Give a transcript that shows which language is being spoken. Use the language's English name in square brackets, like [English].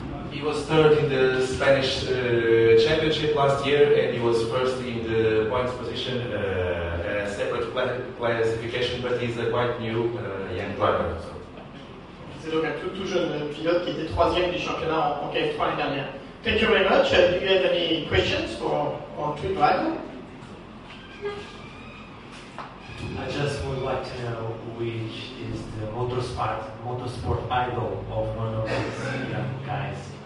[English] He was third in the Spanish championship last year, and he was first in the points position, a separate classification, but he's a quite new young driver. So. [French] C'est donc un tout jeune pilote qui était troisième du championnat en KF3 l'année dernière. [English] Thank you very much. Do you have any questions for our two drivers? I just would like to know which is the motorsport idol of one of these young guys.